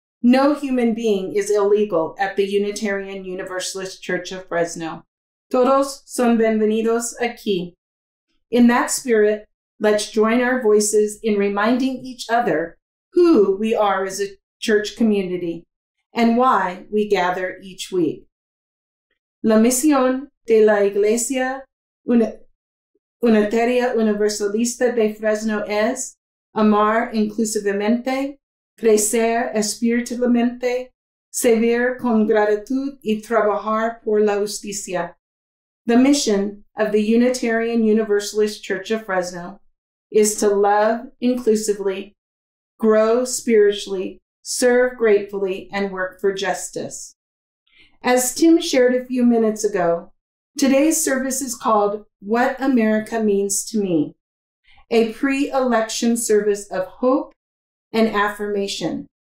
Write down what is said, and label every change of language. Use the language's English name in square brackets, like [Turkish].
[English] No human being is illegal at the Unitarian Universalist Church of Fresno. [Spanish] Todos son bienvenidos aquí. [English] In that spirit, let's join our voices in reminding each other who we are as a church community and why we gather each week. [Spanish] La misión de la Iglesia Unitaria Universalista de Fresno es amar inclusivamente, crecer espiritualmente, servir con gratitud y trabajar por la justicia. [English] The mission of the Unitarian Universalist Church of Fresno is to love inclusively, grow spiritually, serve gratefully, and work for justice. As Tim shared a few minutes ago, today's service is called What America Means to Me, a pre-election service of hope and affirmation.